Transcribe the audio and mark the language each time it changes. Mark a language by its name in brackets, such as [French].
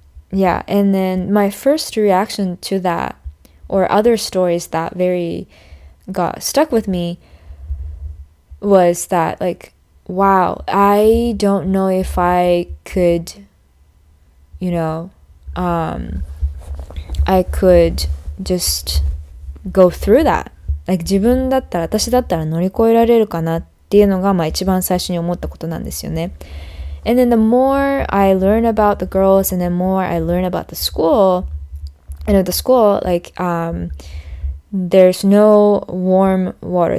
[English] Yeah, and then my first reaction to that or other stories that very got stuck with me was that, like, wow, I don't know if I could, you know, I could just go through that. [Japanese] Like, 自分だったら、私だったら乗り越えられるかなっていうのが、まあ、一番最初に思ったことなんですよね。 [English] And then the more I learn about the girls and the more I learn about the school, you know, the school, like, there's no warm water.